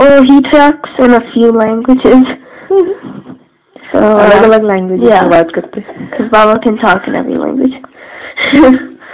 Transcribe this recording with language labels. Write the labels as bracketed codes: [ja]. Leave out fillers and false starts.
[en] He talks in a few languages. [hi] So अलग अलग language में बात करते हैं। [en] Because Baba can talk in every language.